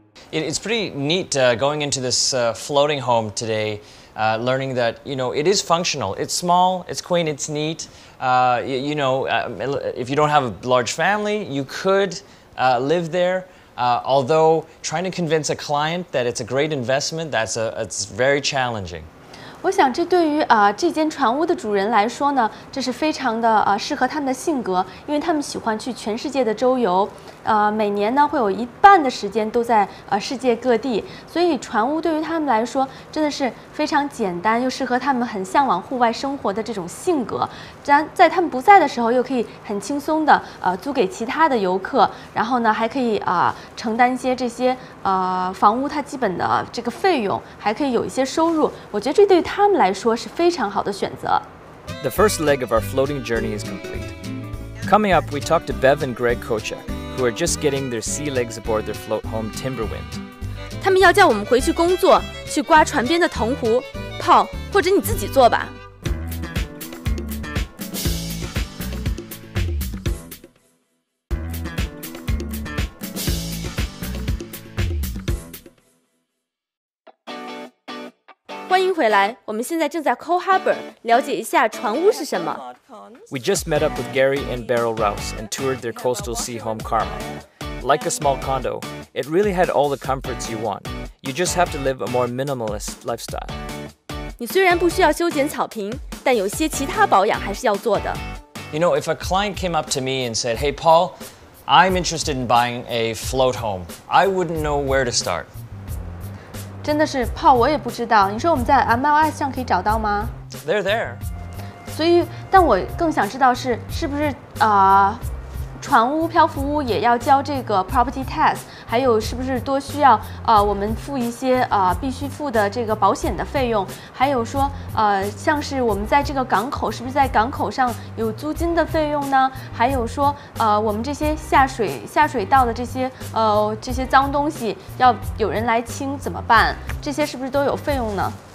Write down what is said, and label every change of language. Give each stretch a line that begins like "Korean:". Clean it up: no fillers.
English: It's pretty neat going into this floating home today, learning that, you know, it is functional. It's small, it's quaint, it's neat. If you don't have a large family, you could live there. Although trying to convince a client that it's a great investment, it's very challenging.
Chinese: 我想这对于这间船屋的主人来说呢，这是非常的适合他们的性格，因为他们喜欢去全世界的周游，每年呢会有一半的时间都在世界各地，所以船屋对于他们来说真的是非常简单，又适合他们很向往户外生活的这种性格。然在他们不在的时候，又可以很轻松的租给其他的游客，然后呢还可以承担一些这些房屋它基本的这个费用，还可以有一些收入。我觉得这对他们来说是非常好的选择。
English: The first leg of our floating journey is complete. Coming up, we talk to Bev and Greg Kochuk, who are just getting their sea legs aboard their float home Timberwind.
Chinese: 他们要叫我们回去工作，去刮船边的藤壶，泡，或者你自己做吧。欢迎回来，我们现在正在 Coal Harbor 了解一下船屋是什么。
English: We just met up with Garry and Beryl Rowse and toured their coastal sea home Karma. Like a small condo, it really had all the comforts you want. You just have to live a more minimalist lifestyle.
Chinese: 你虽然不需要修剪草坪，但有些其他保养还是要做的。
English: You know, if a client came up to me and said, "Hey, Paul, I'm interested in buying a float home," I wouldn't know where to start.
Chinese: 真的是泡我也不知道，你说我们在 MLS 上可以找到吗？
English: They're there。
Chinese: 所以但我更想知道是不是船屋漂浮屋也要交这个 property tax， 还有是不是多需要我们付一些必须付的这个保险的费用，还有说像是我们在这个港口是不是在港口上有租金的费用呢，还有说我们这些下水道的这些脏东西要有人来清怎么办，这些是不是都有费用呢？